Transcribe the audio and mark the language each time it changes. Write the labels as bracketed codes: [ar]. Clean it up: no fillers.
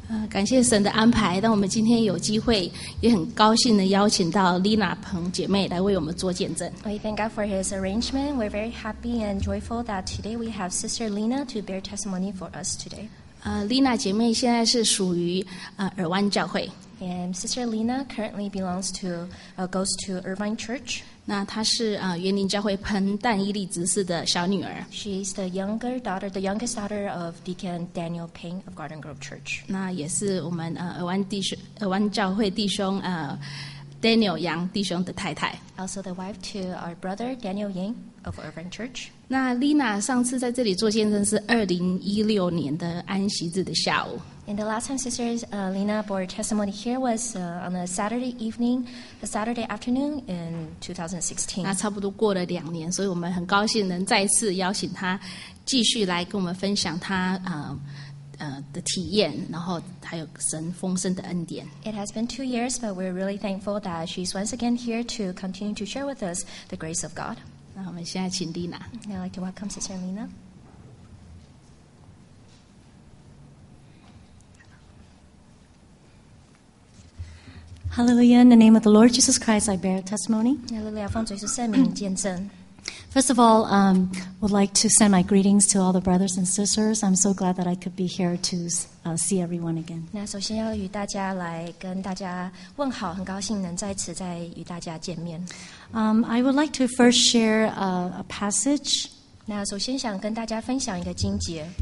[zh] 感谢神的安排，让我们今天有机会，也很高兴的邀请到 Lina 彭姐妹来为我们做见证。 [en] We thank God for His arrangement. We're very happy and joyful that today we have Sister Lina to bear testimony for us today. [zh] Lina 姐妹现在是属于尔湾教会。 [en] And Sister Lina currently belongs to goes to Irvine Church. [zh] 那她是园林教会彭但伊利执事的小女儿。 [en] She's the younger daughter, the youngest daughter of Deacon Daniel Peng of Garden Grove Church. [zh] 那也是我们尔湾教会弟兄Daniel Yang 弟兄的太太。 [en] Also the wife to our brother Daniel Yang of Irvine Church. [zh] 那 Lina 上次在这里做见证是2016年的安息日的下午。 [en] And the last time Sister Lina bore testimony here was on a Saturday evening, a Saturday afternoon in 2016. [zh] 那差不多过了两年，所以我们很高兴能再次邀请她继续来跟我们分享她的体验，然后还有神丰盛的恩典。 [en] It has been 2 years, but we're really thankful that she's once again here to continue to share with us the grace of God. [zh] 那我们现在请 Lina. [en] I'd like to welcome Sister Lina. Hallelujah, in the name of the Lord Jesus Christ, I bear testimony. [zh] Hallelujah, 奉主耶稣圣名见证。 [en] First of all, I would like to send my greetings to all the brothers and sisters. I'm so glad that I could be here to see everyone again. [zh] 那首先要与大家来跟大家问好，很高兴能在此再与大家见面。 [en] I would like to first share a passage. [zh] 那首先想跟大家分享一个经节。